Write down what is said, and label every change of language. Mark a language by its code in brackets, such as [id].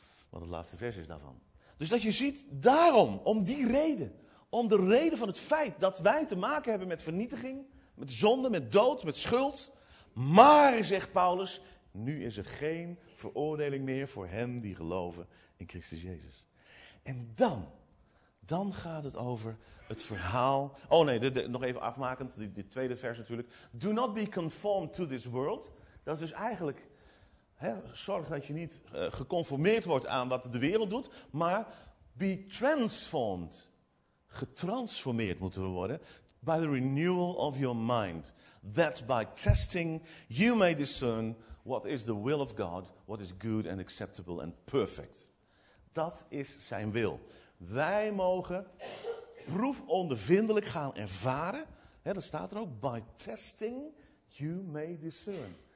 [nl] wat het laatste vers is daarvan. Dus dat je ziet, daarom, om die reden, om de reden van het feit dat wij te maken hebben met vernietiging, met zonde, met dood, met schuld. Maar, zegt Paulus, nu is er geen veroordeling meer voor hen die geloven in Christus Jezus. En dan gaat het over het verhaal. Oh nee, nog even afmakend, die tweede vers natuurlijk. [en] Do not be conformed to this world. [nl] Dat is dus eigenlijk, zorg dat je niet geconformeerd wordt aan wat de wereld doet, maar [en] be transformed. [nl] Getransformeerd moeten we worden. [en] By the renewal of your mind. That by testing you may discern what is the will of God, what is good and acceptable and perfect. [nl] Dat is zijn wil. Wij mogen proefondervindelijk gaan ervaren. Dat staat er ook. [en] By testing you may discern.